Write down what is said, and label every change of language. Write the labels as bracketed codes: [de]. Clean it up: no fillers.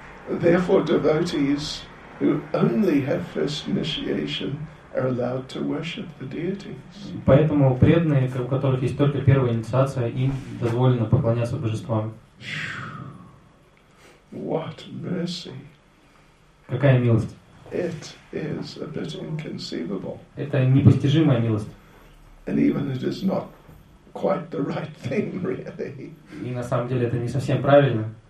[en] Therefore, devotees who only have first initiation are allowed to worship the deities. [ru] Поэтому преданные, у которых есть только первая инициация, им дозволено поклоняться божествам. [en] What mercy! [ru] Какая милость! [en] It is a bit inconceivable. [ru] Это непостижимая милость. [en] And even it is not quite the right thing, really. [ru] И на самом деле это не совсем правильно.